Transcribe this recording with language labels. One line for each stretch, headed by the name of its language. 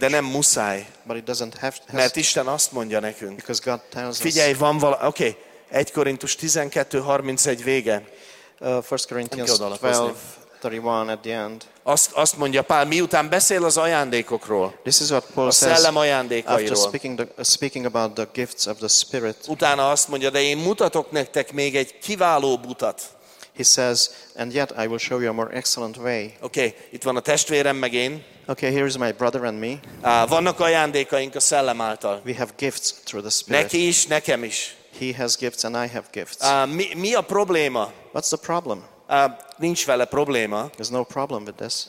Hungarian: De nem muszáj.
English: But it doesn't have to.
Hungarian: Mert Isten azt mondja nekünk.
English: Because God tells us.
Hungarian: Figyelj, van valami. Oké. Okay. 1 Korintus 12:31 vége.
English: 1 Corinthians 12:31 at the end.
Hungarian: Azt mondja Pál, miután beszél az ajándékokról.
English: This is what Paul
Hungarian: a szellem
English: says,
Hungarian: ajándékairól.
English: After speaking about the gifts of the Spirit.
Hungarian: Utána azt mondja, de én mutatok nektek még egy kiváló utat.
English: He says, and yet I will show you a more excellent way.
Hungarian: Okay, itt van a testvérem meg én.
English: Okay, here is my brother and me.
Hungarian: Vannak ajándékaink a szellem által.
English: We have gifts through the Spirit.
Hungarian: Neki is, nekem is.
English: He has gifts and I have gifts.
Hungarian: Mi a probléma?
English: What's the problem?
Hungarian: Nincs vele probléma.
English: There's no problem with this.